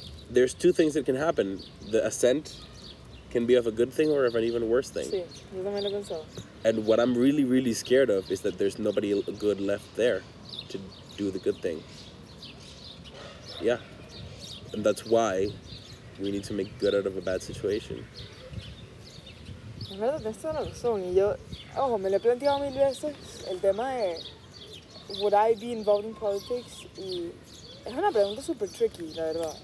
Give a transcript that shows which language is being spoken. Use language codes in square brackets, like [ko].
[en] there's two things that can happen. The ascent can be of a good thing or of an even worse thing. [es] Sí, yo también lo pensaba. [en] And what I'm really, really scared of is that there's nobody good left there to do the good thing. Yeah. And that's why we need to make good out of a bad situation. [es] Es verdad, tienes toda la razón. Y yo, ojo, me lo he planteado mil veces. El tema de, [en] would I be involved in politics? [es] Y es una pregunta super tricky, la verdad.